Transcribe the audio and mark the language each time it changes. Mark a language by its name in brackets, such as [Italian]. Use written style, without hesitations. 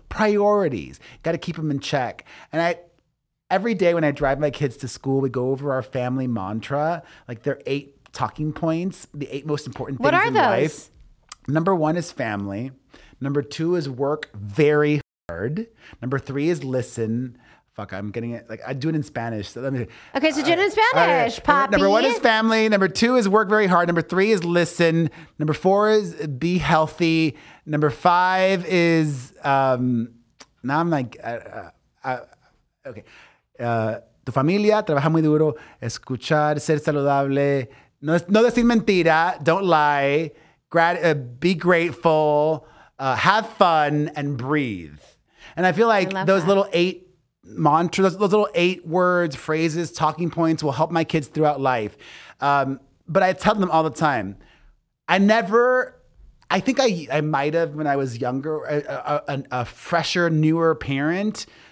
[English] Priorities, got to keep them in check. And every day when I drive my kids to school, we go over our family mantra, like their 8 talking points, the 8 most important things in life. Number 1 is family. Number 2 is work very hard. Number 3 is listen. Fuck, I'm getting it. Like, I do it in Spanish. So let me. Okay, so do it in Spanish, Poppy. Number 1 is family. Number 2 is work very hard. Number 3 is listen. Number 4 is be healthy. Number 5 is, now I'm like, [Spanish] tu familia, trabaja muy duro, escuchar, ser saludable, no decir mentira, [English] don't lie. Be grateful, have fun, and breathe. And I feel like little 8 mantras, those little 8 words, phrases, talking points will help my kids throughout life. But I tell them all the time, I might have when I was younger, a fresher, newer parent.